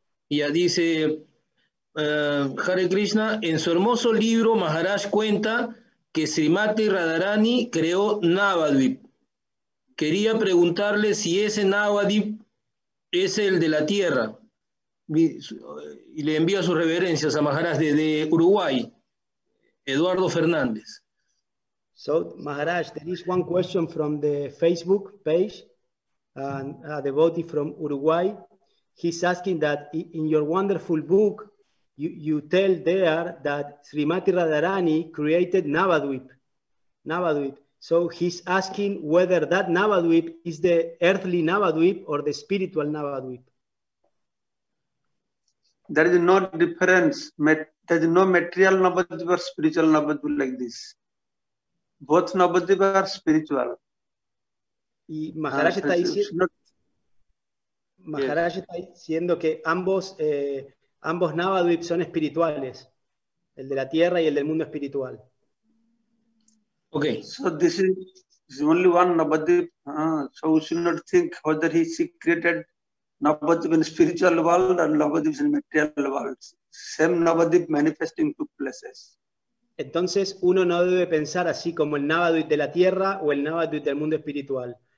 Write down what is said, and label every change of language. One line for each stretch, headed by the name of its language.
Spanish: Ya dice, Hare Krishna, en su hermoso libro Maharaj cuenta que Srimati Radharani creó Navadvip. Quería preguntarle si ese Navadvip es el de la tierra. Y le envía sus reverencias a Maharaj desde Uruguay. Eduardo Fernández.
English: So, Maharaj, there is one question from the Facebook page. a devotee from Uruguay. He's asking that in your wonderful book, you tell there that Srimati Radharani created Navadvip. Navadvip. So he's asking whether that Navadvip is the earthly Navadvip or the spiritual Navadvip. There is no difference. There is no material Navadvip or spiritual Navadvip like this. Both Navadvip are spiritual.
Spanish: Y Maharaj está diciendo, Maharaj está diciendo que ambos Navadvip son espirituales, el de la tierra y el del mundo espiritual.
English: Okay. So this is only one Navadvip. So we should not think whether he secreted Navadvip in spiritual world or Navadvip in material world. Same Navadvip manifesting two places.
Spanish: Entonces uno no debe pensar así como el Navadvip de la tierra o el Navadvip del mundo espiritual.